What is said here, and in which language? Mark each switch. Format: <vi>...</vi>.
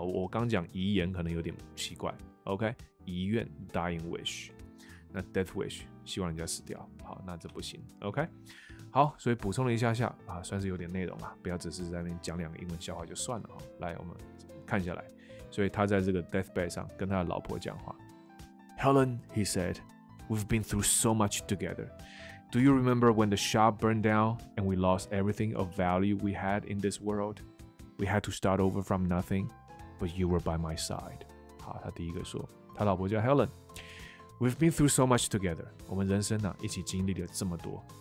<zh>我刚讲遗言可能有点奇怪， OK， 遗愿 dying wish。那 death wish 希望人家死掉，好，那这不行。 OK， 好，所以补充了一下下啊，算是有点内容啊，不要只是在那边讲两个英文笑话就算了啊。来，我们看下来，所以他在这个 deathbed 上跟他的老婆讲话。</zh> <en>Helen, he said, we've been through so much together. Do you remember when the shop burned down and we lost everything of value we had in this world? We had to start over from nothing, but you were by my side.</en> <zh>好，他第一个说，他老婆叫 Helen。</zh> <en>We've been through so much together.</en> <zh>我们人生啊，一起经历了这么多。</zh>